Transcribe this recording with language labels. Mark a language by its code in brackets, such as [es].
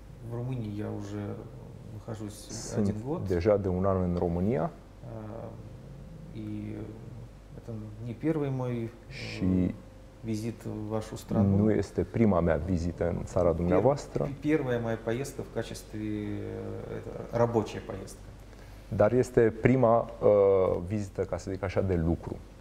[ru] В Румынии я уже нахожусь один год. [ro] Deja de un an în România. [ru] И это не первый мой визит в вашу страну. [ro] Nu este prima mea vizită în țara dumneavoastră. [ru] Первая моя поездка в качестве рабочая поездка. [ro] Dar este prima vizită, ca să zic așa, de lucru.